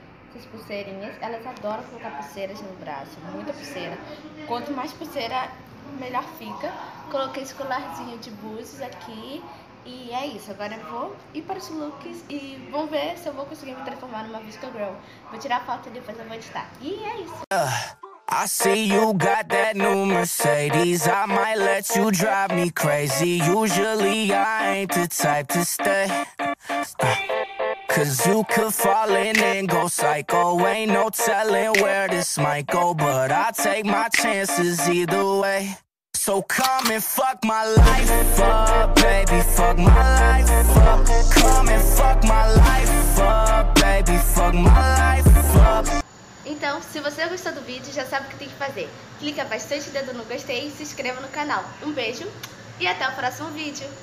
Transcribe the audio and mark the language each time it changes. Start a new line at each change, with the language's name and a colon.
Portuguese: Essas pulseirinhas, elas adoram colocar pulseiras no braço, muita pulseira. Quanto mais pulseira, melhor fica. Coloquei esse colarzinho de búzios aqui. E é isso, agora eu vou ir para os looks e vamos ver se eu vou conseguir me transformar numa Visca Girl. Vou tirar a foto e depois eu vou editar. E é isso.
English: I see you got that new Mercedes. I might let you drive me crazy. Usually I ain't the type to stay. Cause you could fall in and go psycho. Ain't no telling where this might go. But I take my chances either way. So come and fuck my life up, baby, fuck my life up. Come and fuck my life up, baby, fuck my life up.
Portuguese: Então, se você gostou do vídeo, já sabe o que tem que fazer. Clica bastante dedo no gostei e se inscreva no canal. Um beijo e até o próximo vídeo.